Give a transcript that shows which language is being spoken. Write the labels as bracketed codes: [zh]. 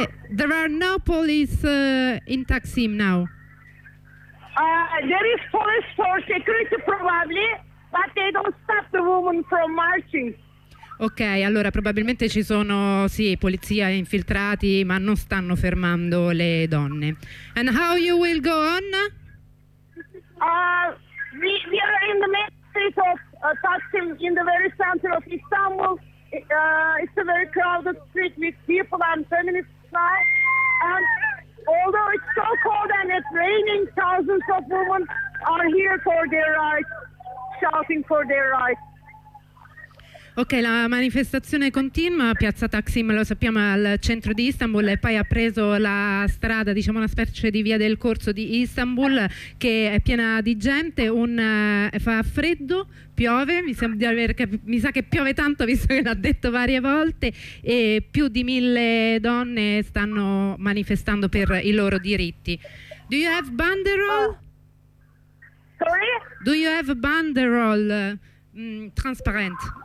[en] There are no police in Taksim now. There is police for security probably, but they don't stop the women from marching. [it] Ok, allora probabilmente ci sono, sì, polizia, infiltrati, ma non stanno fermando le donne. [en] And how you will go on? We are in the main street of Taksim, in the very center of Istanbul. It's a very crowded street with people and feminists inside. And although it's so cold and it's raining, thousands of women are here for their rights, shouting for their rights. [it] Ok, la manifestazione continua, Piazza Taksim, lo sappiamo, al centro di Istanbul, e poi ha preso la strada, diciamo una specie di via del corso di Istanbul, che è piena di gente, fa freddo, piove, mi sa che piove tanto visto che l'ha detto varie volte, e più di 1000 donne stanno manifestando per i loro diritti. [en] Do you have banderole? Sorry? Do you have banderole transparent?